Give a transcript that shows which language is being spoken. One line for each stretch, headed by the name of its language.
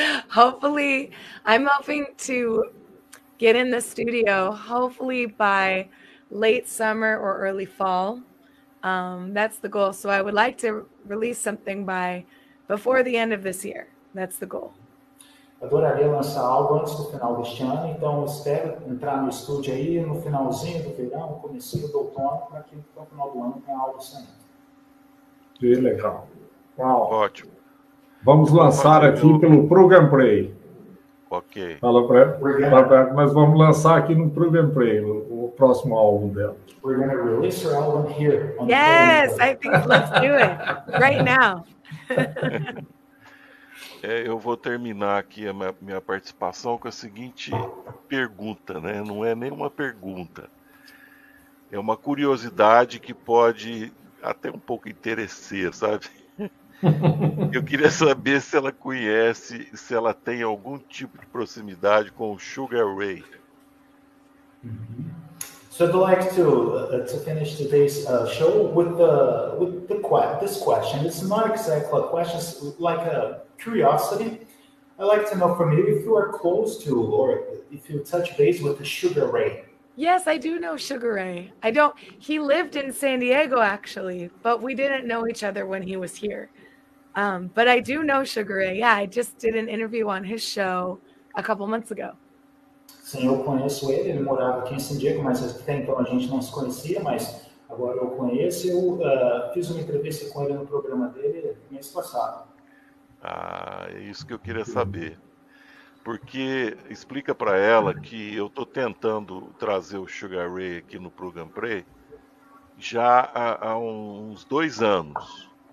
English: Hopefully, I'm hoping to get in the studio, hopefully by late summer or early fall. That's the goal. So I would like to release something by before the end of this year. That's the goal.
Portuguese: Adoraria lançar algo antes do final deste ano, então espero entrar no estúdio aí no finalzinho do verão, comecinho do outono, para que no final do ano tenha algo saindo. Que legal. Uau. Ótimo. Vamos lançar aqui pelo Program Play. Ok. Fala para ela, mas vamos lançar aqui no Prove and Pray, o próximo álbum dela.
English: We're going to release her album here. On yes, the I think let's do it right now.
Portuguese: É, eu vou terminar aqui a minha participação com a seguinte pergunta, né? Não é nem uma pergunta. É uma curiosidade que pode até um pouco interessar, sabe? Eu queria saber se ela conhece, se ela tem algum tipo de proximidade com o Sugar Ray.
English: So I'd like to finish today's show with this question. It's not exactly a question, it's like a curiosity. I'd like to know from you if you are close to or if you touch base with the Sugar Ray. Yes, I do know Sugar Ray. I don't. He lived in San Diego, actually, but we didn't know each other when he was here. But I do know Sugar Ray. Yeah, I just did an interview on his show a couple months ago.
Portuguese: Sim, eu conheço ele, ele morava aqui em San Diego, mas até então a gente não se conhecia, mas agora eu conheço. Eu fiz uma entrevista com ele no programa dele mês passado. Ah, é isso que eu queria saber. Porque explica para ela que eu estou tentando trazer o Sugar Ray aqui no Program Play já há uns 2 anos.